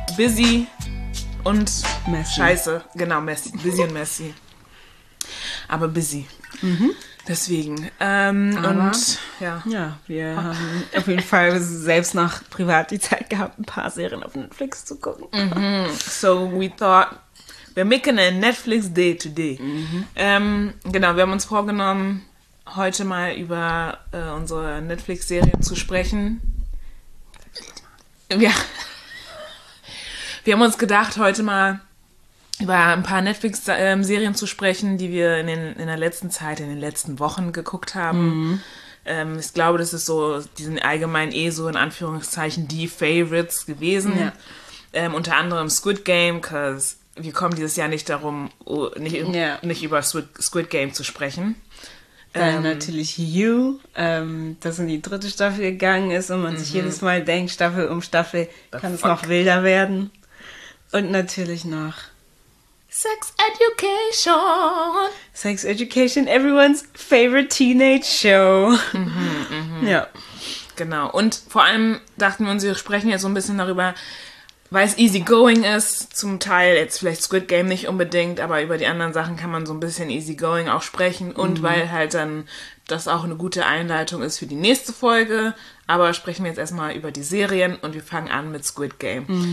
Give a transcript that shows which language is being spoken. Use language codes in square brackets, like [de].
[de] Busy und [en] messy. [de] Scheiße. Genau, messy. Busy und messy. Aber busy. Mhm. Deswegen. Ja, wir haben auf jeden Fall selbst noch privat die Zeit gehabt, ein paar Serien auf Netflix zu gucken. Mhm. [en] So we thought, we're making a Netflix day today. Mhm. [de] Genau, wir haben uns vorgenommen, heute mal über unsere Netflix-Serie zu sprechen. Ja. Wir haben uns gedacht, heute mal über ein paar Netflix-Serien zu sprechen, die wir in den letzten Wochen geguckt haben. Mhm. Ich glaube, das ist so, die sind allgemein eh so in Anführungszeichen die Favorites gewesen. Ja. Unter anderem Squid Game, because wir kommen dieses Jahr nicht darum, nicht über Squid Game zu sprechen. Dann natürlich You, das in die dritte Staffel gegangen ist und man sich jedes Mal denkt, Staffel um Staffel kann es noch wilder werden. Und natürlich noch Sex Education. [en] Sex Education, everyone's favorite teenage show. [de] Ja, genau. Und vor allem dachten wir uns, wir sprechen jetzt so ein bisschen darüber, weil es easygoing ist, zum Teil jetzt vielleicht Squid Game nicht unbedingt, aber über die anderen Sachen kann man so ein bisschen easygoing auch sprechen und weil halt dann das auch eine gute Einleitung ist für die nächste Folge, aber sprechen wir jetzt erstmal über die Serien und wir fangen an mit Squid Game.